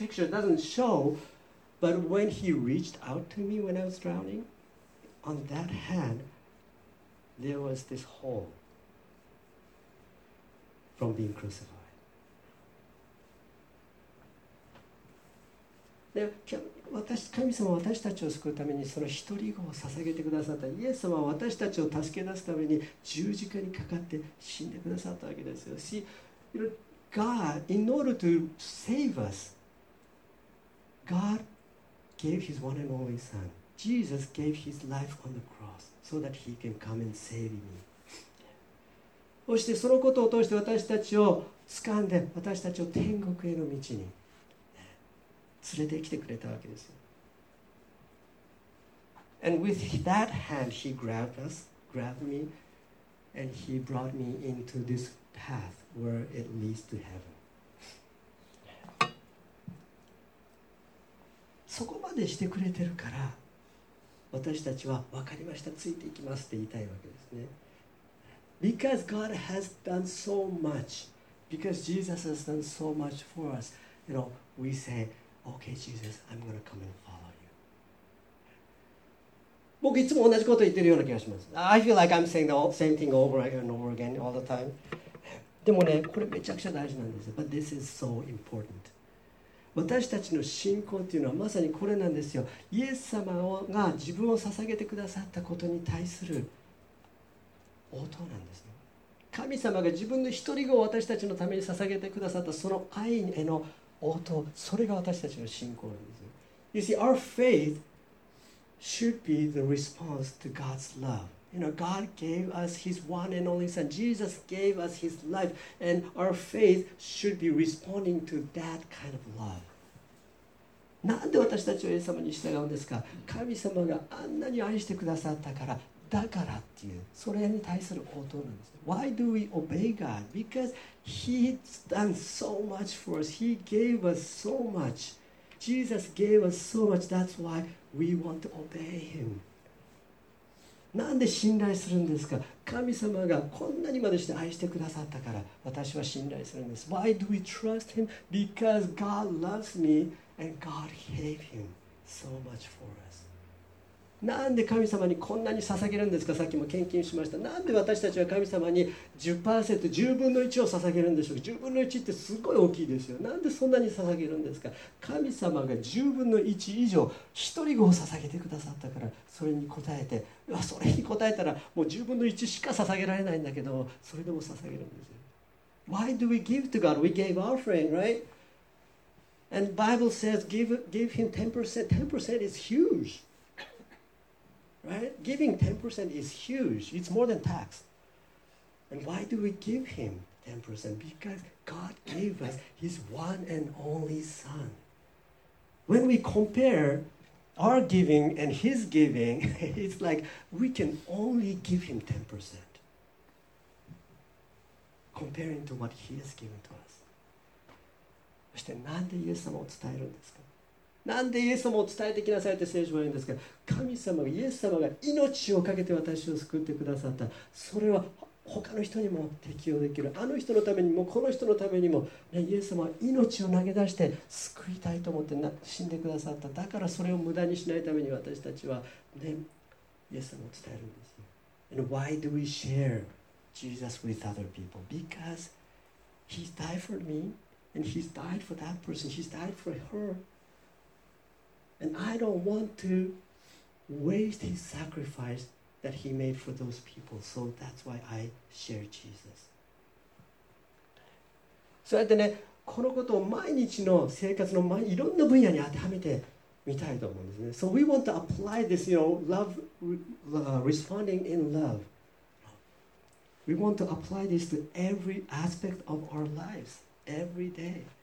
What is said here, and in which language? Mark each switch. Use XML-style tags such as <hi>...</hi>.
<en>And this picture doesn't show, but when He reached out to me when I was drowning, on that hand there was this hole from being crucified.</en> <ja>で、私、神様は私たちを救うためにその一人子を捧げてくださった。イエス様は私たちを助け出すために十字架にかかって死んでくださったわけですよ。</ja> <en>See, God, in order to save us, God gave His one and only Son. Jesus gave His life on the cross so that He can come and save me.</en> <ja>そしてそのことを通して私たちを掴んで私たちを天国への道に連れてきてくれたわけですよ。</ja> <en>And with that hand He grabbed us, grabbed me, and He brought me into this path where it leads to heaven.</en> <ja>そこまでしてくれてるから私たちは分かりました、ついていきますって言いたいわけですね。</ja> <en>Because God has done so much, because Jesus has done so much for us, you know, we sayOkay, Jesus, I'm gonna come and follow you.</en> <ja>僕いつも同じこと言ってるような気がします。</ja> <en>I feel like I'm saying the same thing over and over again all the time.</en> <ja>でもね、これめちゃくちゃ大事なんです。</ja> <en>But this is so important.</en> <ja>私たちの信仰っていうのはまさにこれなんですよ。イエス様が自分を捧げてくださったことに対する応答なんですね。神様が自分の一人子を私たちのために捧げてくださったその愛への応答、それが私たちの信仰なんです。</ja> <en>You see, our faith should be the response to God's love. You know, God gave us His one and only Son. Jesus gave us His life. And our faith should be responding to that kind of love.</en> <ja>なんで私たちはイエス様に従うんですか？神様があんなに愛してくださったから、だからっていう、それに対する応答なんです。</ja> <en>Why do we obey God? Because He's done so much for us. He gave us so much. Jesus gave us so much. That's why we want to obey Him.</en> <ja>なんで信頼するんですか？神様がこんなにまでして愛してくださったから、私は信頼するんです。</ja> <en>Why do we trust Him? Because God loves me and God gave Him so much for us.</en> <ja>なんで神様にこんなに捧げるんですか？さっきも献金しました。なんで私たちは神様に 10%、 10分の1を捧げるんでしょうか？ 10分の1ってすごい大きいですよ。なんでそんなに捧げるんですか？神様が10分の1以上一人子を捧げてくださったから、それに応えて、それに応えたらもう10分の1しか捧げられないんだけど、それでも捧げるんですよ。</ja> <en>Why do we give to God? We gave offering, right? And the Bible says give Him 10%. 10% is hugeRight? Giving 10% is huge. It's more than tax. And why do we give Him 10%? Because God gave us His one and only Son. When we compare our giving and His giving, it's like we can only give Him 10% comparing to what He has given to us.</en> <ja>そしてなんでイエス様を伝えるんですか？なんでイエス様を伝えてきなさいって聖書は言うんですか？神様が、イエス様が命をかけて私を救ってくださった。それは他の人にも適用できる。あの人のためにも、この人のためにも、ね、イエス様は命を投げ出して救いたいと思って死んでくださった。だからそれを無駄にしないために私たちは、ね、イエス様を伝えるんです。</ja> <en>And why do we share Jesus with other people? Because He died for me And he's died for that person. He's died for her. And I don't want to waste his sacrifice that he made for those people. So that's why I share Jesus.</en> <ja>そうやってね、このことを毎日の生活の毎いろんな分野に当てはめてみたいと思うんですね。</ja> <en>So we want to apply this, you know, love, responding in love. We want to apply this to every aspect of our lives, every day.</en>